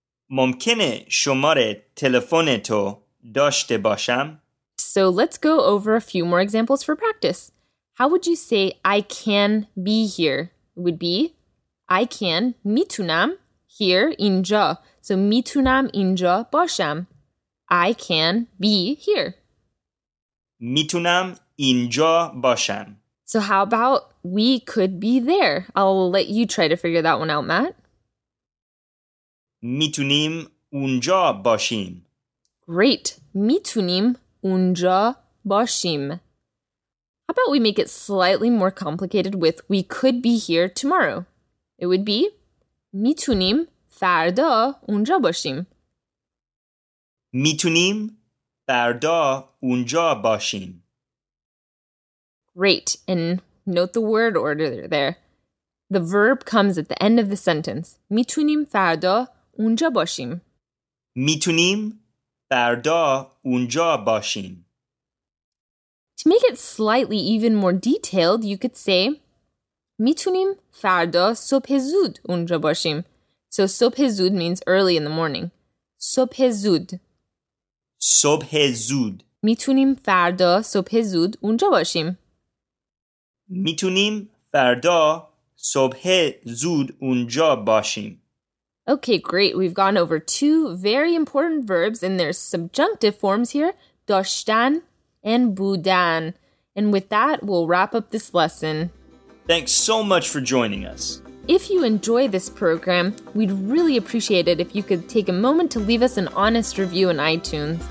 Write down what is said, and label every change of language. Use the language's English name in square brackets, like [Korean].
[Persian] Mumkine şomare telefoneto doshte basham. [English] So let's go over a few more examples for practice. How would you say I can be here? It would be I can [Persian] mitunam here inja. So میتونم اینجا باشم. [English] I can be here. [Persian] میتونم اینجا باشم. [English] So how about we could be there? I'll let you try to figure that one out, Matt. [Persian] میتونیم اونجا باشیم. [English] Great. [Persian] میتونیم اونجا باشیم. [English] How about we make it slightly more complicated with we could be here tomorrow? It would be [Persian] میتونیم فردا اونجا باشیم. میتونیم فردا اونجا باشیم. [English] Great. And note the word order there. The verb comes at the end of the sentence. [Persian] میتونیم فردا اونجا باشیم. میتونیم فردا اونجا باشیم. [English] To make it slightly even more detailed, you could say [Persian] میتونیم فردا صبح زود اونجا باشیم. [English] So [Persian] صبح زود [English] means early in the morning. [Persian] صبح زود. صبح زود. میتونیم فردا صبح زود اونجا باشیم. میتونیم فردا صبح زود اونجا باشیم. [English] Okay, great. We've gone over two very important verbs in their subjunctive forms here, داشتن and بودن. And with that, we'll wrap up this lesson. Thanks so much for joining us. If you enjoy this program, we'd really appreciate it if you could take a moment to leave us an honest review in iTunes.